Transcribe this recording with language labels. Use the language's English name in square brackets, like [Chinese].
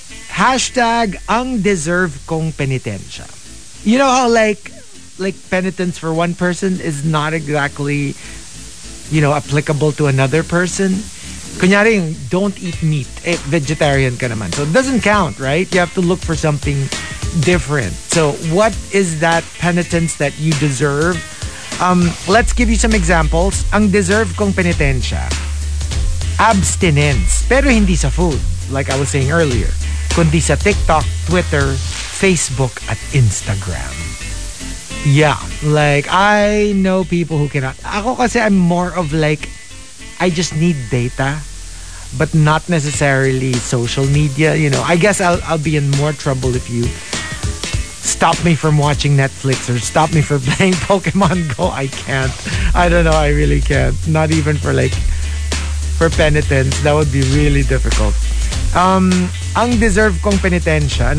[Filipino] Hashtag ang deserve kong penitensya. [English] You know how like penitence for one person is not exactly, you know, applicable to another person. Kunyari, don't eat meat. [Filipino] Eh, vegetarian ka naman. [English] So it doesn't count, right? You have to look for something different. So what is that penitence that you deserve? Let's give you some examples. [Filipino] Ang deserve kong penitensya. [English] Abstinence. [Filipino] Pero hindi sa food, [English] like I was saying earlier. [Filipino] Kundi sa TikTok, Twitter, Facebook, at Instagram. [English] Yeah, like I know people who cannot. [Filipino] Ako kasi [English] I'm more of like I just need data, but not necessarily social media. You know, I guess I'll be in more trouble if you stop me from watching Netflix or stop me from playing Pokemon Go. I can't. I don't know. I really can't. Not even for like for penitence. That would be really difficult. [Filipino] Ang deserve kong penitensya.